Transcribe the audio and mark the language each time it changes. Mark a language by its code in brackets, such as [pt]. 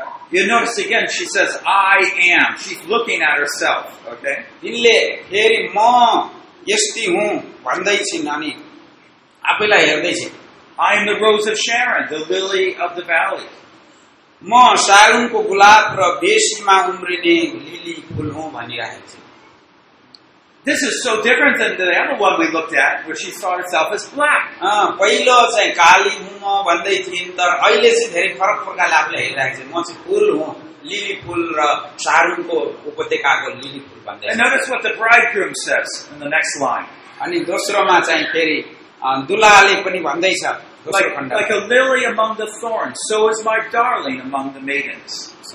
[en] You'll notice again, she says, I am. She's looking at herself, okay? [ne] तिनले फेरि म यस्ती हुँ भन्दैछिन् अनि आफैलाई हेर्दैछिन्. [en] I am the rose of Sharon, the lily of the valley. [ne] म सारुनको गुलाब र बेसीमा उम्रिने लिली फुल हुँ भनिरहेको छु. [en] This is so different than the other one we looked at where she saw herself as black. [ne] पहिलो चाहिँ काली हुँ भन्दै थिइन् तर अहिले चाहिँ धेरै फरक प्रकारले आफूले हेरिरहेको छ. म चाहिँ फुल हुँ, लिली फुल र सारुनको उपत्यकाको लिली फुल भन्दै. [en] And notice what the bridegroom says in the next line. [ne] अनि दोस्रोमा चाहिँ फेरि दुलाले पनि भन्दैछ. [en] Like a lily among the thorns, so is my darling among the maidens.